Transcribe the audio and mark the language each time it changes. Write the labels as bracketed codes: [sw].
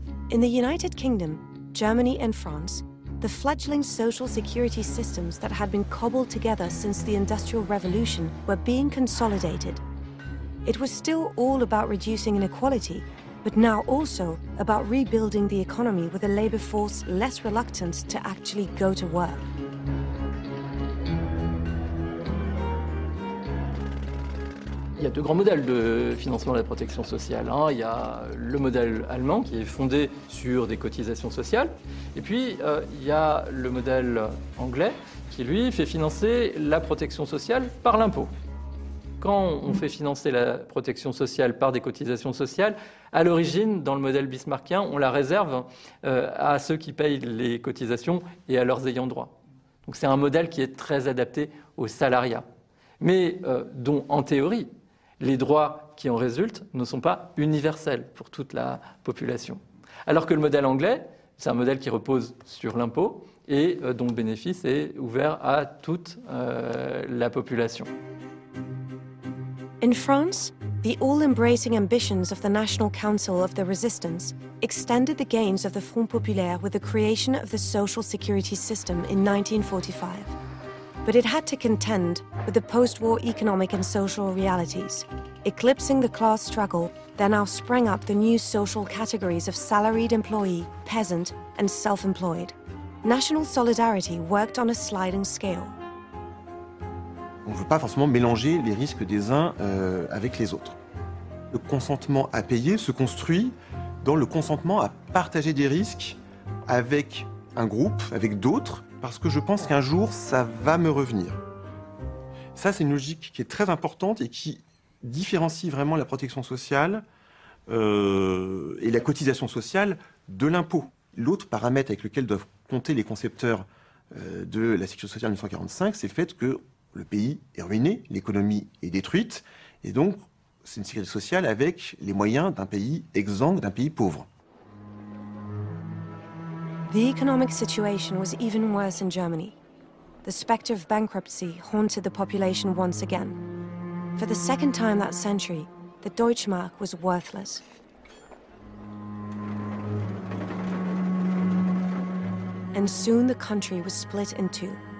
[en] In the United Kingdom, Germany and France, the fledgling social security systems that had been cobbled together since the Industrial Revolution were being consolidated. It was still all about reducing inequality, but now also about rebuilding the economy with a labor force less reluctant to actually go to work. [fr] Il y a deux grands modèles de financement de la protection sociale. Il y a le modèle allemand qui est fondé sur des cotisations sociales. Et puis, il y a le modèle anglais qui, lui, fait financer la protection sociale par l'impôt. Quand on fait financer la protection sociale par des cotisations sociales, à l'origine, dans le modèle bismarckien, on la réserve à ceux qui payent les cotisations et à leurs ayants droit. Donc c'est un modèle qui est très adapté aux salariats, mais dont, en théorie, les droits qui en résultent ne sont pas universels pour toute la population. Alors que le modèle anglais, c'est un modèle qui repose sur l'impôt et dont le bénéfice est ouvert à toute la population. [en] In France, the all-embracing ambitions of the National Council of the Resistance extended the gains of the Front Populaire with the creation of the social security system in 1945. But it had to contend with the post-war economic and social realities, eclipsing the class struggle. There now sprang up the new social categories of salaried employee, peasant, and self-employed. National solidarity worked on a sliding scale. [fr] On ne veut pas forcément mélanger les risques des uns avec les autres. Le consentement à payer se construit dans le consentement à partager des risques avec un groupe, avec d'autres, parce que je pense qu'un jour, ça va me revenir. Ça, c'est une logique qui est très importante et qui différencie vraiment la protection sociale et la cotisation sociale de l'impôt. L'autre paramètre avec lequel doivent compter les concepteurs de la sécurité sociale 1945, c'est le fait que le pays est ruiné, l'économie est détruite, et donc c'est une sécurité sociale avec les moyens d'un pays exsangue, d'un pays pauvre. [en] The economic situation was even worse in Germany. The specter of bankruptcy haunted the population once again. For the second time that century, the Deutschmark was worthless. And soon the country was split in two.